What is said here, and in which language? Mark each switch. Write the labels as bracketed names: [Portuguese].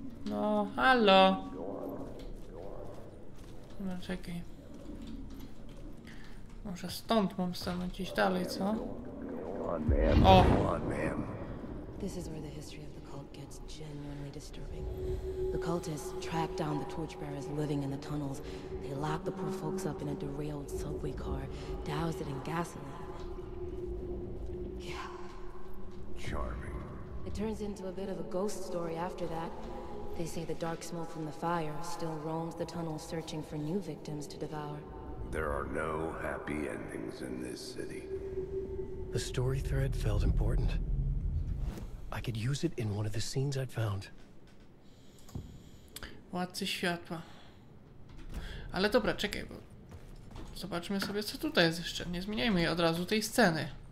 [Polish] No, halo. No czekaj. Może stąd mam stanąć gdzieś dalej, co? O! [English] This is where the history of the cult gets genuinely disturbing. The cultists track down the torchbearers living in the tunnels. They lock the poor folks up in a derailed subway car, douse it in gasoline. Yeah. Charming. It turns into a bit of a ghost story after that. They say the dark smoke from the fire still roams the tunnels searching for new victims to devour. There are no happy endings in this city. The story thread felt important. I could use it in one of the scenes I'd found. [Polish] Władcy światła. Ale dobra, czekaj, bo zobaczmy sobie, co tutaj jest jeszcze. Nie zmieniajmy od razu tej sceny.